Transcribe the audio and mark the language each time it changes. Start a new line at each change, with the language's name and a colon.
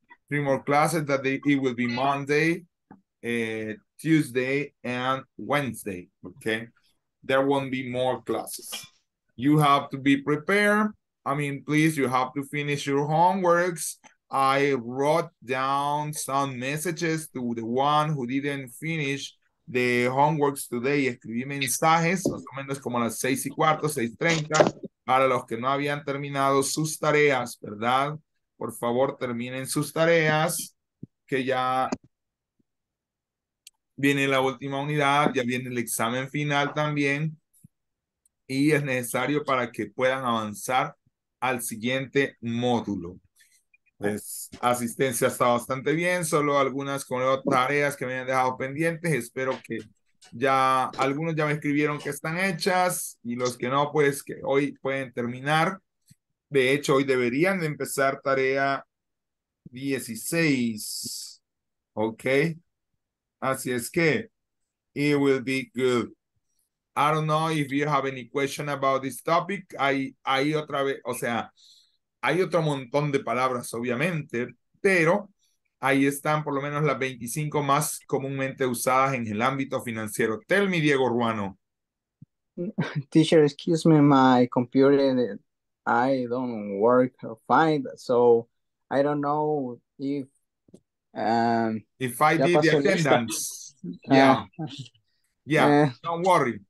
English: Three more classes that they, it will be Monday, Tuesday, and Wednesday, okay? There won't be more classes. You have to be prepared. I mean, please, you have to finish your homeworks. I wrote down some messages to the one who didn't finish the homeworks today.
Spanish: Escribí mensajes, más o menos como a las 6:15, 6:30. Para los que no habían terminado sus tareas, ¿verdad? Por favor, terminen sus tareas, que ya viene la última unidad, ya viene el examen final también, y es necesario para que puedan avanzar al siguiente módulo. Pues, asistencia está bastante bien, solo algunas tareas que me han dejado pendientes, espero que ya algunos ya me escribieron que están hechas y los que no, pues que hoy pueden terminar. De hecho, hoy deberían de empezar tarea 16. Okay. Así es que
English: it will be good. I don't know if you have any question about this topic.
Spanish: Hay otra vez, o sea, hay otro montón de palabras, obviamente, pero ahí están por lo menos las 25 más comúnmente usadas en el ámbito financiero.
English: Tell me, Diego Ruano. Teacher, excuse me, my computer, I don't work fine, so I don't know if... if I did the attendance. Yeah, don't worry.